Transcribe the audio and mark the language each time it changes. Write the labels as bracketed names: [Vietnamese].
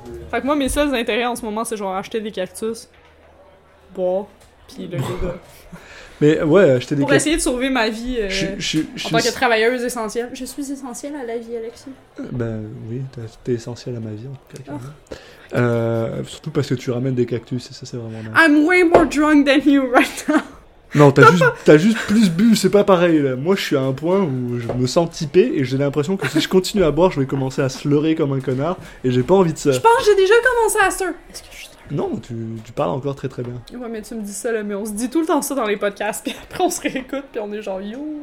[French] Fait que moi, mes seuls intérêts en ce moment, c'est genre acheter des cactus, boire, puis le yoga. Mais ouais, acheter des cactus. Pour essayer de sauver ma vie en tant que travailleuse essentielle. Je suis essentielle à la vie, Alexis. Ben oui, t'es essentielle à ma vie en tout cas. Oh. Surtout parce que tu ramènes des cactus et ça, c'est vraiment dingue. [English] I'm way more drunk than you right now. [French] Non, t'as juste plus bu, c'est pas pareil. Là. Moi, je suis à un point où je me sens typé et j'ai l'impression que si je continue à boire, je vais commencer à slurrer comme un connard et j'ai pas envie de ça. Je pense que j'ai déjà commencé à slurrer. Non, tu parles encore très très bien. Ouais, mais tu me dis ça là, mais on se dit tout le temps ça dans les podcasts, puis après on se réécoute, puis on est genre yo.